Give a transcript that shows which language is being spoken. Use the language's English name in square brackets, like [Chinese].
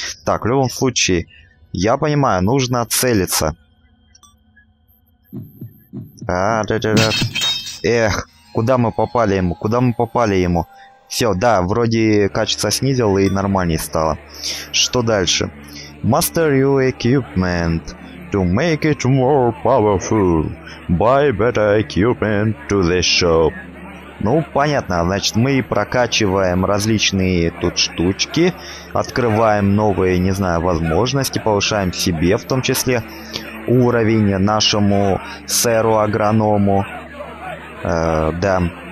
[Russian] Так, в любом случае, я понимаю, нужно целиться. Эх, куда мы попали ему? Все, да, вроде качество снизил и нормальнее стало. Что дальше? [English] Master your equipment. To make it more powerful, buy better equipment to the shop. [Russian] Ну, понятно, значит, мы прокачиваем различные тут штучки, открываем новые, не знаю, возможности, повышаем себе в том числе уровень нашему сэру-агроному. Да.